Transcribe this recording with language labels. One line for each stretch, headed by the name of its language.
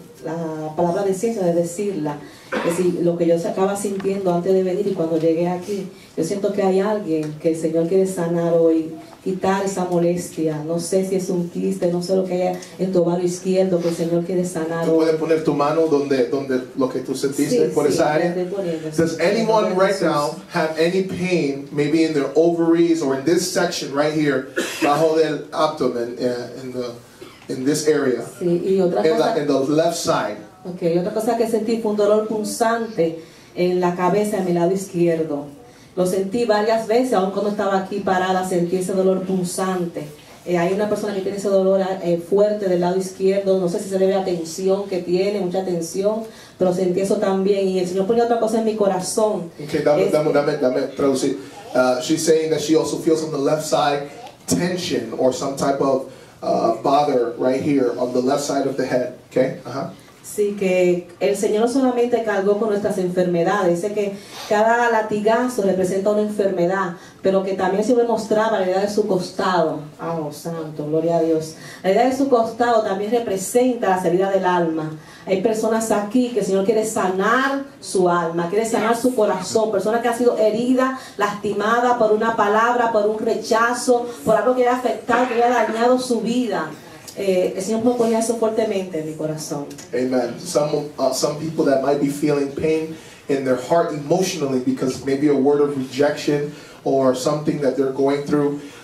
Spanish: la palabra de ciencia de decirla, que si lo que yo estaba sintiendo antes de venir y cuando llegué aquí, yo siento que hay alguien que el Señor quiere sanar hoy, quitar esa molestia. No sé si es un quiste, no sé lo que haya en tu ovario izquierdo, que el Señor quiere sanar. ¿Tú puedes poner tu mano donde lo que tú sentiste, sí, por sí, esa área?
English: Does anyone right now have any pain, maybe in their ovaries or in this section right here, bajo del abdomen, in this area?
Spanish: Sí, y otra cosa,
English: in the left side.
Spanish: Okay, otra cosa que sentí fue un dolor punzante en la cabeza, en mi lado izquierdo. Lo sentí varias veces, aun cuando estaba aquí parada, sentí ese dolor punzante. Hay una persona que tiene ese dolor fuerte del lado izquierdo, no sé si se debe a tensión que tiene, mucha tensión, pero sentí eso también. Y el Señor ponía otra cosa en mi corazón. Okay, dame, traducir.
English: She's saying that she also feels on the left side tension or some type of bother right here on the left side of the head. Okay,
Spanish: Sí, que el Señor no solamente cargó con nuestras enfermedades, dice que cada latigazo representa una enfermedad, pero que también se mostraba la herida de su costado. Oh, santo, gloria a Dios. La herida de su costado también representa la salida del alma. Hay personas aquí que el Señor quiere sanar su alma, quiere sanar su corazón. Personas que han sido heridas, lastimadas por una palabra, por un rechazo, por algo que haya afectado, que haya dañado su vida. Amen.
English: Some people that might be feeling pain in their heart emotionally because maybe a word of rejection or something that they're going through.